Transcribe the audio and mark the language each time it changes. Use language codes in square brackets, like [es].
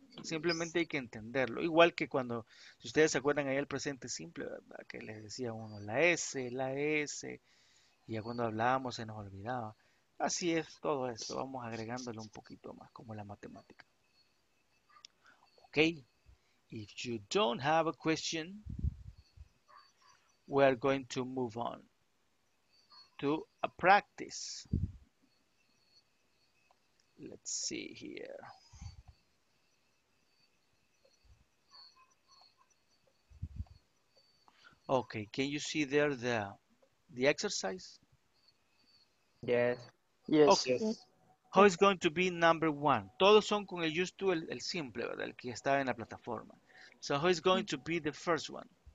[es] Simplemente hay que entenderlo. Igual que cuando, si ustedes se acuerdan ahí el presente simple, ¿verdad? Que les decía uno la S, y ya cuando hablábamos se nos olvidaba. Así es todo esto. Vamos agregándolo un poquito más, como la matemática. Okay. [en] If you don't have a question, we are going to move on to a practice. Let's see here. Okay, can you see there the exercise? Yes. How is going to be number one? [es] Todos son con el used to, el simple, ¿verdad? El que está en la plataforma. [en] So who is going to be the first one?